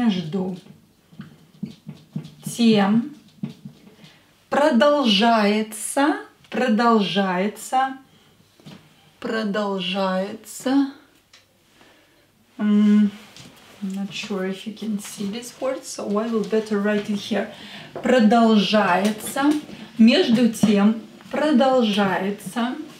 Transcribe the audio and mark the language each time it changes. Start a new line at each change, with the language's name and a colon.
Russian: Между тем продолжается.
English: I'm not sure if you can see this word, so I will better write it here.
Russian: Продолжается. Между тем продолжается.